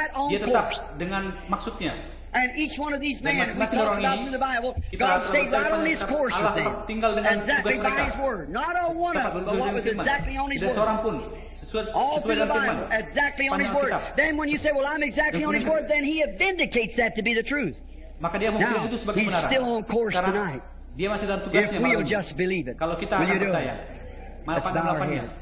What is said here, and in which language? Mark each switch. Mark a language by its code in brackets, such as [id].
[id] Dia tetap dengan maksudnya. [en] And each one of these men we talk about in the Bible, God stayed right on his course with them, exactly by his word. Not a one of them, but what was exactly on his word. All through the Bible, exactly on his word. Then when you say, well, I'm exactly on his word, then he vindicates that to be the truth. Now, he's still on course tonight. [id] Dia masih dalam tugasnya. [en] If we'll just believe it, [id] kalau kita akan percaya, mari kita melakukannya.